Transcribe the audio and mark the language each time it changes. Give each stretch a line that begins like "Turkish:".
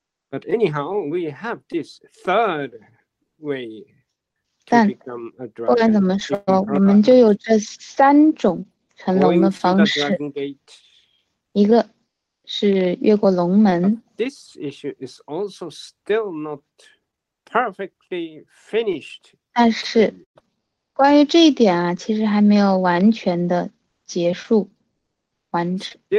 English: But anyhow, we have this third way to become a dragon.
Chinese: 不管怎么说，我们就有这三种成龙的方式.
English: This issue is also still not perfectly finished.
Chinese: 但是关于这一点啊，其实还没有完全的结束，完结。